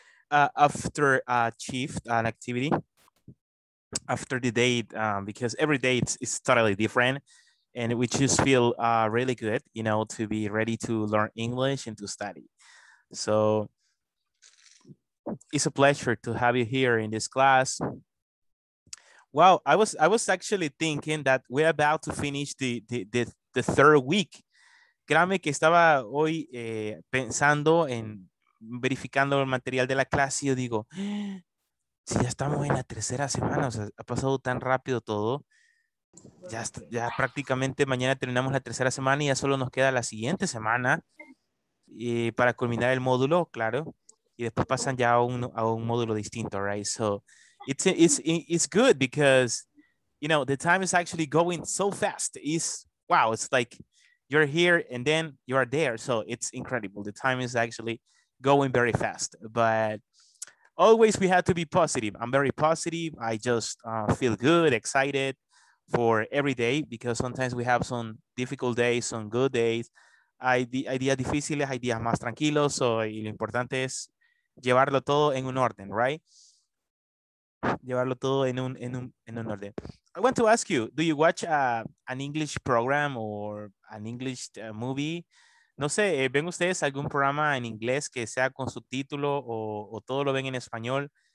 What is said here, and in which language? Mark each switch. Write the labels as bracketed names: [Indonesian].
[English] After achieved an activity, after the date, because every date is totally different, and we just feel really good, you know, to be ready to learn English and to study. So it's a pleasure to have you here in this class. Well, I was actually thinking that we're about to finish the third week. [Spanish] Créame que estaba hoy pensando en verificando el material de la clase y yo digo, si ya estamos en la tercera semana, o sea, ha pasado tan rápido todo. Ya prácticamente mañana terminamos la tercera semana y ya solo nos queda la siguiente semana y para culminar el módulo, claro. Y después pasan ya a un módulo distinto, right? [English] So it's good because, you know, the time is actually going so fast. It's, wow, it's like you're here and then you are there. So it's incredible. The time is actually going very fast. But always we have to be positive. I'm very positive. I just feel good, excited for every day because sometimes we have some difficult days, some good days. [Spanish] Hay días difíciles, hay días más tranquilos. So lo importante es llevarlo todo en un orden, right? Llevarlo todo en un orden. [English] I want to ask you, do you watch an English program or an English movie? [Spanish] No sé, ¿ven ustedes algún programa en inglés que sea con subtítulo o todo lo ven en español?